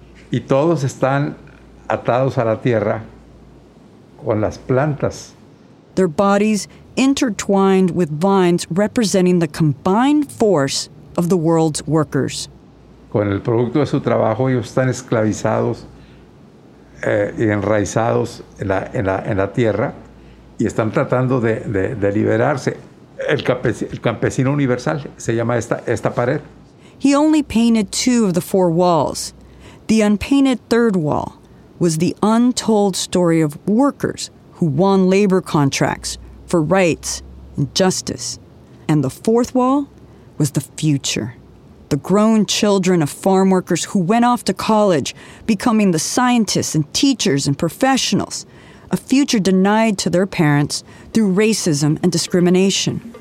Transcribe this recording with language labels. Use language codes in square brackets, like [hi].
[es] Y todos están atados a la tierra con las plantas. [en] Their bodies intertwined with vines representing the combined force of the world's workers. [es] Con el producto de su trabajo, ellos están esclavizados y enraizados en la tierra y están tratando de liberarse. El campesino universal se llama esta pared. [en] He only painted two of the four walls. The unpainted third wall was the untold story of workers who won labor contracts for rights and justice. And the fourth wall was the future. The grown children of farm workers who went off to college, becoming the scientists and teachers and professionals, a future denied to their parents through racism and discrimination.